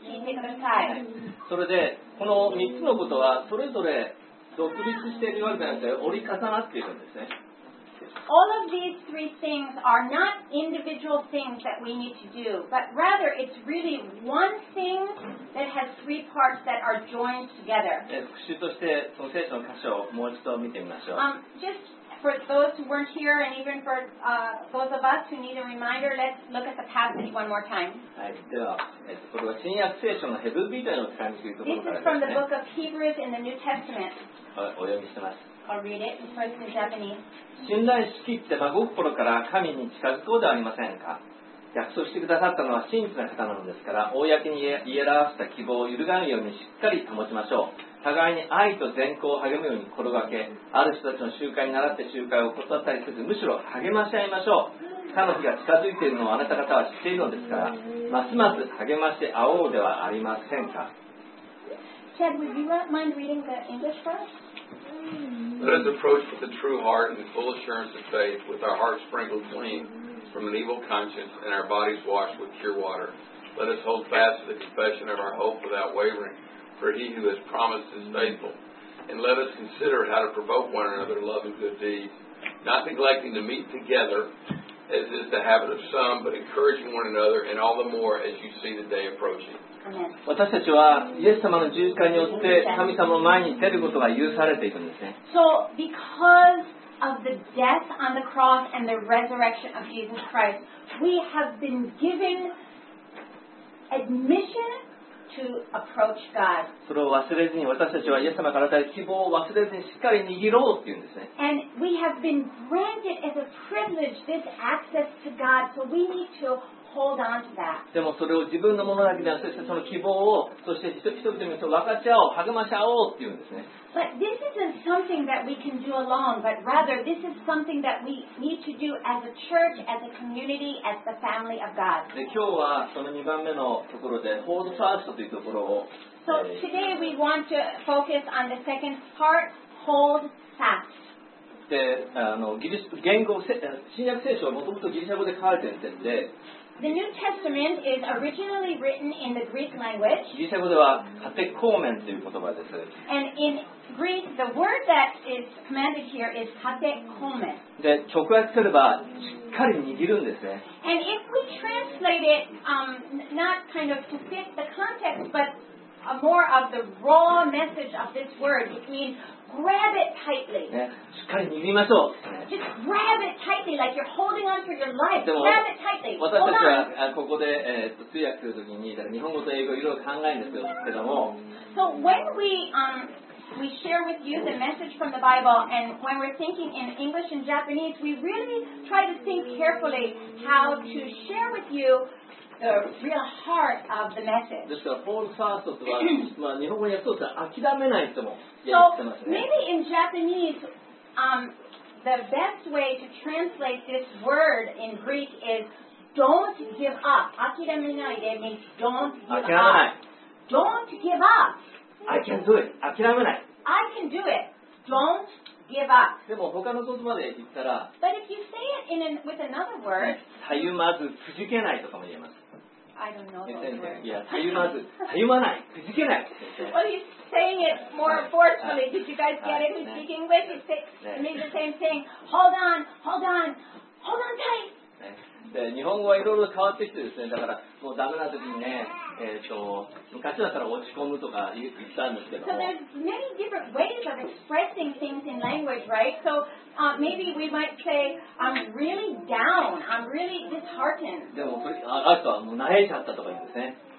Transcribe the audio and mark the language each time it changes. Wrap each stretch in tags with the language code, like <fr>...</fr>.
<ja>この3つのことはそれぞれ独立しているわけじゃなくて折り重なっているんですね。</ja> <en>All of these three things are not individual things that we need to do, but rather it's really one thing that has three parts that are joined together.</en> <ja>復習として、その聖書の箇所をもう一度見てみましょう。</ja> <en>Just for those who weren't here, and even for those of us who need a reminder, let's look at the passage one more time.</en> <ja>はい、では、これは新約聖書のヘブル人への手紙というところからですね。</ja> <en>This is from the book of Hebrews in the New Testament.</en> <ja>お読みしてます。</ja> <en>I'll read it. It's written in Japanese.</en> <ja>信頼しきって真心から神に近づこうではありませんか。約束してくださったのは真実な方なのですから、公に言い表した希望を揺るがぬようにしっかり保ちましょう。互いに愛と善行を励むように心がけ、ある人たちの集会に倣って集会を断ったりせず、むしろ励まし合いましょう。他の日が近づいているのをあなた方は知っているのですから、ますます励まし合おうではありませんか。</ja> <en>Chad, would you mind reading the English first? Let us approach with a true heart and full assurance of faith, with our hearts sprinkled clean from an evil conscience and our bodies washed with pure water. Let us hold fast to the confession of our hope without wavering. For he who has promised is faithful. And let us consider how to provoke one another to love and good deeds, not neglecting to meet together, as is the habit of some, but encouraging one another, and all the more as you see the day approaching.</en> <ja>私たちはイエス様の十字架によって神様の前に出ることが許されていくんですね。</ja> <en>So because of the death on the cross and the resurrection of Jesus Christ, we have been given admission. To approach God.</en> <ja>それを忘れずに私たちはイエス様から与える希望を忘れずにしっかり握ろうっていうんですね。</ja> <en>And we have been granted as a privilege this access to God, so we need to hold on to that.</en> <ja>でもそれを自分のものだけではなくてその希望をそして人々に分かち合おう励まし合おうっていうんですね。</ja> <en>But this isn't something that we can do alone, but rather this is something that we need to do as a church, as a community, as the family of God.</en> <ja>で今日はその2番目のところで Hold Fast というところを。</ja> <en>So today we want to focus on the second part, Hold Fast.</en> <ja>で、ギリシャ言語、新約聖書はもともとギリシャ語で書かれているんで。</ja> <en>The New Testament is originally written in the Greek language.</en> <ja>ギリシャ語ではカテコーメンという言葉です。</ja> <en>And in Greek, the word that is commanded here is カテコーメン。</en> <ja>で、直訳すればしっかり握るんですね。</ja> <en>And if we translate it, not kind of to fit the context, but more of the raw message of this word, it means grab it tightly.、</en> <ja>ね、しっかり握りましょう。</ja> <en>Just grab it tightly, like you're holding on for your life. Grab it tightly.</en> <ja>私たちはここで、通訳するときに、日本語と英語いろいろ考えるんですけども。</ja> <en>So when we share with you the message from the Bible, and when we're thinking in English and Japanese, we really try to think carefully how to share with you. The real heart of the message.</en> <ja>ですから、hold fast とは、まあ日本語に訳すと諦めないとも言ってますね。</ja> <en>So maybe in Japanese, the best way to translate this word in Greek is don't give up.</en> <ja>諦めないで</ja> <en>means don't give up.</en> <ja>諦めない。</ja> <en>Don't give up. I can do it.</en> <ja>諦めない。</ja> <en>I can do it. Don't give up.</en> <ja>でも他の言葉で言ったら、</ja> <en>But if you say it in with another word,</en> <ja>たゆまずくじけないとかも言えます。</ja> <en>I don't know those words.</en> <ja>いや、たゆまず、たゆまない、くじけない。</ja> <en>Well, you're saying it more forcefully. Did you guys get it? He's speaking with you. It means the same thing. Hold on, hold on, hold on tight.</en> <ja>で、日本語はいろいろ変わってきてですね。だから、もうダメな時にね、昔だったら落ち込むとか言ったんですけども。</ja> <en>So there's many different ways of expressing things in language, right? So, maybe we might say, I'm really down. I'm really disheartened.</en> <ja>でも、ある人はもう慣れちゃったとか言うんですね。</ja>